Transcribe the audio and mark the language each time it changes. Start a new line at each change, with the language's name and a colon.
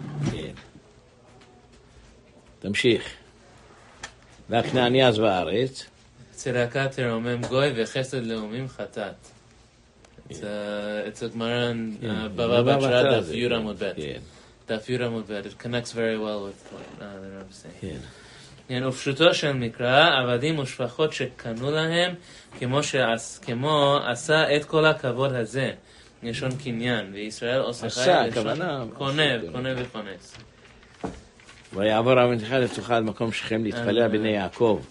Hebrew: כן. תמשיך. והכנעני אז בארץ. צדקה תרומם גוי וחסד לאומים חטאת. את הגמרן בבא בתרא דף יוד עמוד ב. דף יוד עמוד ב.
English: It connects very well with what I'm saying.
Hebrew: כן. ופשוטו של מקרא, עבדים ושפחות שקנו להם, כמו עשה את כל הכבוד הזה, לשון קניין, וישראל עושה חי לשון קונה וכונס. ויעבור המנחה לתוכה על מקום שכם להתפלל על בני יעקב.